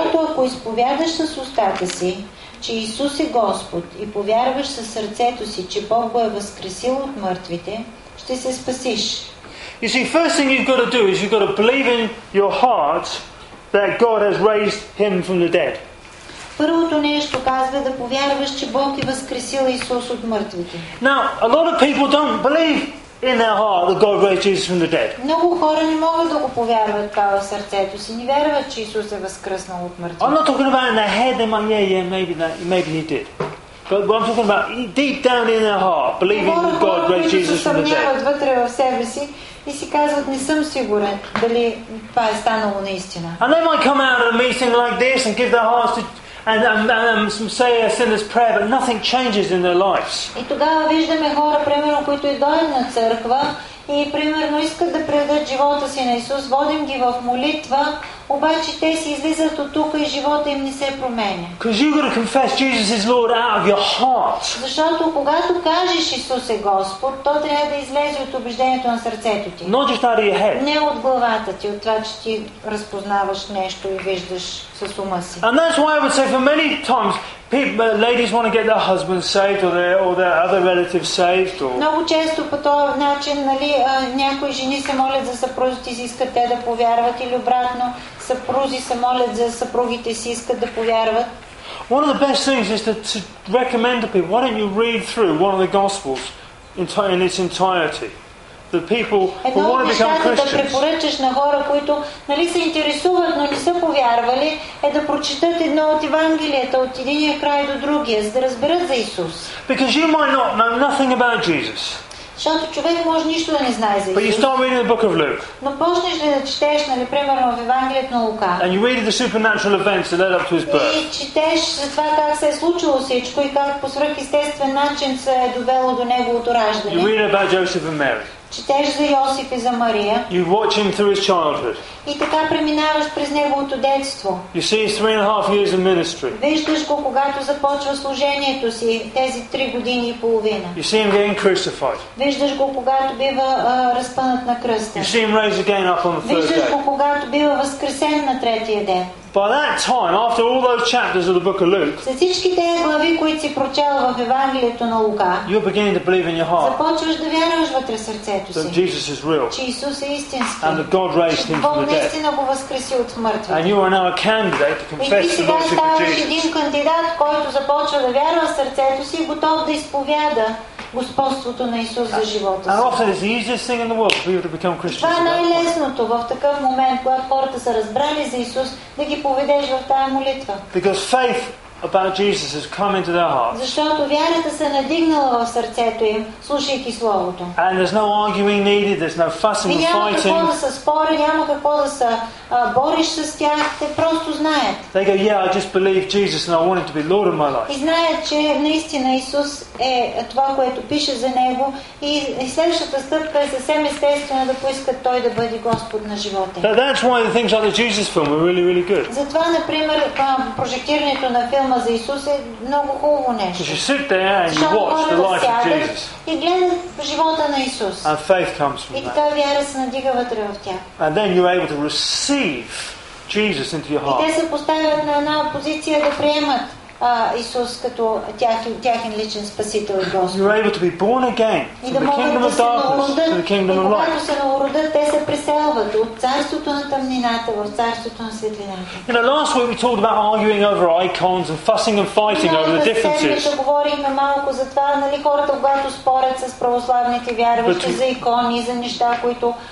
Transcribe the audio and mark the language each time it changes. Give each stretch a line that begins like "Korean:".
Bulgarian: Защото ако изповядаш с устата си, че Исус е Господ и повярваш със сърцето си, че Бог го е възкресил от мъртвите, ще се спасиш.
English: You see, first thing you've got to do is you've got to believe in your heart that God has raised him from the dead.
Bulgarian: Първото нещо казва да повярваш, че Бог е възкресил Исус от мъртвите.
English: Now, a lot of people don't believe in their heart that God raised Jesus from the dead.
Bulgarian: Много хора не могат да го повярват в сърцето си, не вярват, че Исус е възкръснал от мъртвите.
English: I'm not talking about in their head, they might, maybe he did. But I'm talking about deep down in their heart, believing that God raised Jesus from the dead.
Bulgarian: Хора, които се съмняват вътре в себе си, и си казват, не съм сигурен дали това е станало наистина.
English: And they might come out of a meeting like this and give their hearts to and say a sinner's prayer, but nothing changes in their lives.
Bulgarian: И тогава виждаме хора, примерно, които идват на църква и примерно искат да предадат живота си на Исус, водим ги в молитва, обаче те си излизат от тук и живота им не се променя.
English: Because you've got to confess Jesus is Lord out of your heart.
Bulgarian: Защото когато кажеш Исус е Господ, то трябва да излезе от убеждението на сърцето ти.
English: Not just out of your head.
Bulgarian: Не от главата ти, от това, че ти разпознаваш нещо и виждаш с ума си.
English: And that's why I would say for many times ladies want to get their husband saved or their other relative saved.
Bulgarian: Много често по този начин, нали, някои жени се молят за съпрузите си, искат те да повярват или обратно. Съпрузи се молят за съпругите си, искат да повярват.
English: One of the best things is to recommend to people, why don't you read through one of the Gospels in its entirety? The people who want to become Christians.
Bulgarian: Едно да препоръчаш на хора, които, нали, се интересуват, но не са повярвали, е да прочитат едно от Евангелията от единия край до другия, за да разберат за Исус.
English: Because you might not know nothing about Jesus.
Bulgarian: Защото човек може нищо да не знае за Исус.
English: But you start reading the book of Luke.
Bulgarian: Но почнеш ли да четеш, нали, примерно в Евангелието на Лука.
English: And you read the supernatural events that led up to his birth.
Bulgarian: И четеш за това как се е случило всичко и как по свръхестествен начин се е довело до неговото раждане.
English: You read about Joseph and Mary.
Bulgarian: Четеш за Йосиф и за Мария.
English: You watch him through his childhood.
Bulgarian: И така преминаваш през неговото детство.
English: You see his 3.5 years of ministry.
Bulgarian: Виждаш го, когато започва служението си, тези 3.5 години.
English: You see him getting crucified.
Bulgarian: Виждаш го, когато бива разпънат на кръста.
English: You see him raised again up on the third day.
Bulgarian: Виждаш го, когато бива възкресен на третия ден.
English: By that time, after all those chapters of the book of Luke,
Bulgarian: за всички тези глави, които си прочела в Евангелието на Лука,
English: you're beginning to believe in your heart.
Bulgarian: Започваш да вярваш вътре сърцето си.
English: That Jesus is real.
Bulgarian: Че Исус е истински.
English: And that God raised him from the dead.
Bulgarian: Го възкреси от мъртвите.
English: And you are now a candidate to confess the Lordship of Jesus.
Bulgarian: И ти сега ставаш един кандидат, който започва да вярва в сърцето си и готов да изповяда господството на Исус за живота си.
English: And often it's the easiest thing in the world for you to become Christians.
Bulgarian: Това е най-лесното в такъв момент, когато хората са разбрали за Исус, да ги поведеш в тая молитва.
English: Because faith about Jesus has come into their hearts.
Bulgarian: Защото вярата се надигнала в сърцето им, слушайки Словото.
English: And there's no arguing needed, there's no fussing and fighting.
Bulgarian: И няма какво да се спори, няма какво да се бориш с тях, те просто знаят.
English: They go, yeah, I just believe Jesus and I want him to be Lord of my life.
Bulgarian: И знаят, че наистина Исус е това, което пише за Него и следващата стъпка е съвсем естествена да поискат Той да бъде Господ на живота.
English: Now that's why the things like the Jesus film are really, really good.
Bulgarian: Затова, например, прожектирането на филма за Исус е много хубаво нещо.
English: Because you sit there and you watch the life of Jesus.
Bulgarian: И гледат живота на Исус.
English: And faith comes from
Bulgarian: that. И така вяра се надига вътре в тях.
English: And then you're able to receive Jesus into your heart.
Bulgarian: И те се поставят на една позиция да приемат Исус като тяхен личен спасител и Господ.
English: You're able to be born again from the kingdom of darkness to the kingdom of light.
Bulgarian: И когато се народят, те се преселват от царството на тъмнината в царството на светлината.
English: You know, last week we talked about arguing over icons and fussing and fighting over the differences.
Bulgarian: Говорихме малко за това, нали, хората, когато спорят с православните вярващи за икони, за неща, които